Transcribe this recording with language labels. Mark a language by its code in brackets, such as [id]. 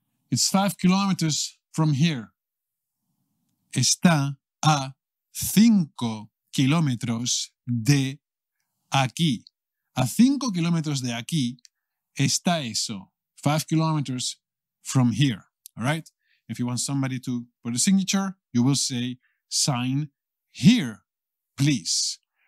[en] It's 5 kilometers from here. [es] Está a 5 kilómetros de aquí. A 5 kilómetros de aquí está eso. [en] 5 kilometers from here. All right? If you want somebody to put a signature, you will say, sign here, please.